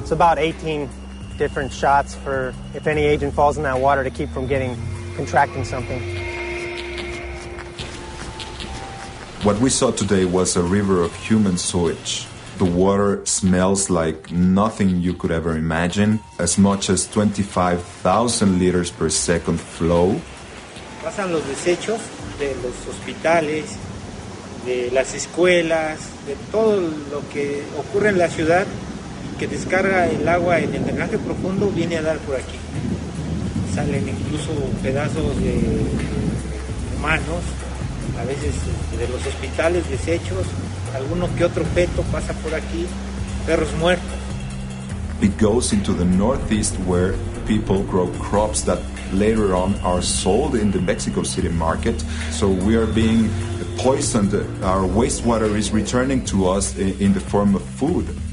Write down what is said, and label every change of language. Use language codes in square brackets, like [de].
[en] It's about 18 different shots for if any agent falls in that water to keep from getting contracting something. What we saw today was a river of human sewage. The water smells like nothing you could ever imagine. As much as 25,000 liters per second flow. [es] Pasan los desechos de los hospitales, de las escuelas, de todo lo que ocurre en la ciudad que descarga el agua en el drenaje profundo viene a dar por aquí. Salen incluso pedazos de humanos. A veces de los hospitales desechos, alguno que otro peto pasa por aquí, perros muertos. [en] It goes into the northeast where people grow crops that later on are sold in the Mexico City market. So we are being poisoned. Our wastewater is returning to us in the form of food.